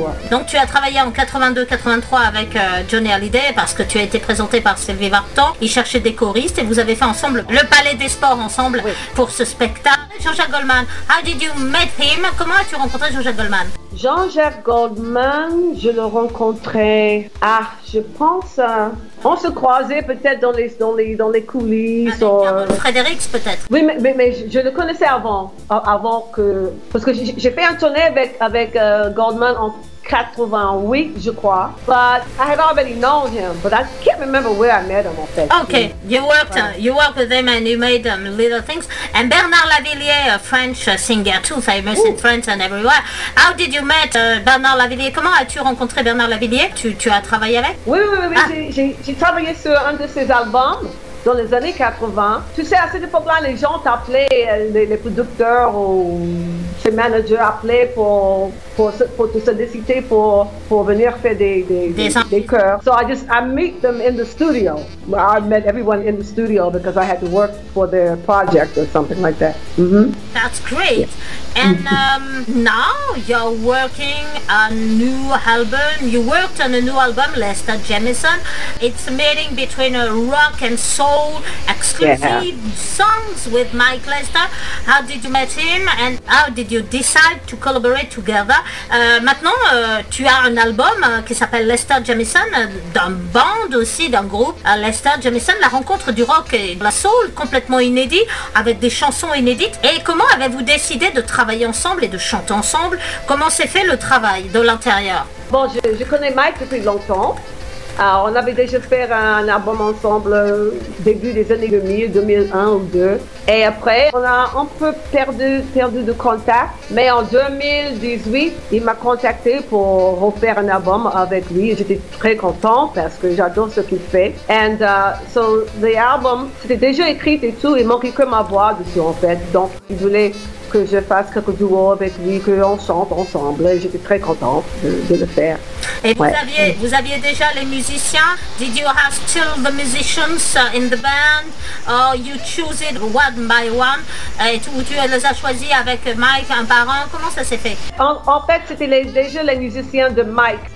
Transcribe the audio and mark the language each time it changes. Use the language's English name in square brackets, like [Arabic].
[French] Donc tu as travaillé en 82-83 avec Johnny Hallyday parce que tu as été présenté par Sylvie Vartan. Ils cherchaient des choristes et vous avez fait ensemble le Palais des Sports ensemble, oui, pour ce spectacle. [English] Jean-Jacques Goldman, how did you meet him? [French] Comment as-tu rencontré Jean-Jacques Goldman? Jean-Jacques Goldman, je le rencontrais, je pense, on se croisait peut-être dans les coulisses. Avec Frédérics peut-être. Oui, mais je le connaissais avant que, parce que j'ai fait un tournée avec Goldman en 88, je crois. [English] But I had already known him, but I can't remember where I met him, [French] en fait. [English] Okay, you worked with him and you made little things. And Bernard Lavillier, a French singer, too famous, ooh, in France and everywhere. How did you meet Bernard Lavillier? [French] Comment as-tu rencontré Bernard Lavillier? Tu as travaillé avec? Oui. J'ai travaillé sur un de ses albums dans les années 80. Tu sais, à cette époque-là, les gens t'appelaient, les producteurs ou ses managers appelaient pour te solliciter pour venir faire des chœurs. [English] So I meet them in the studio. I met everyone in the studio because I had to work for their project or something like that. Mm-hmm. That's great. Yeah. And now you're working a new album. You worked on a new album, Lester Jamison. It's a meeting between a rock and soul, exclusive, yeah, songs with Mike Lester. How did you meet him and how did you decide to collaborate together? [French] Maintenant, tu as un album qui s'appelle Lester Jamison, d'un band aussi, d'un groupe. Lester Jamison, la rencontre du rock et de la soul, complètement inédit, avec des chansons inédites. Et comment avez-vous décidé de travailler ensemble et de chanter ensemble? Comment s'est fait le travail de l'intérieur? Bon, je connais Mike depuis longtemps. Alors, on avait déjà fait un album ensemble début des années 2000, 2001 ou 2002. Et après, on a un peu perdu de contact. Mais en 2018, il m'a contacté pour refaire un album avec lui. J'étais très content parce que j'adore ce qu'il fait. [English] And so the album, [French] c'était déjà écrit et tout. Il manquait que ma voix dessus, en fait. Donc, il voulait que je fasse quelques duos avec lui, qu'on chante ensemble. Et j'étais très contente de le faire. Et ouais. Vous aviez déjà les musiciens? [English] Did you have still the musicians in the band? Or you choose it one by one? [French] Et tu les as choisis avec Mike un par un? Comment ça s'est fait? En fait, c'était déjà les musiciens de Mike.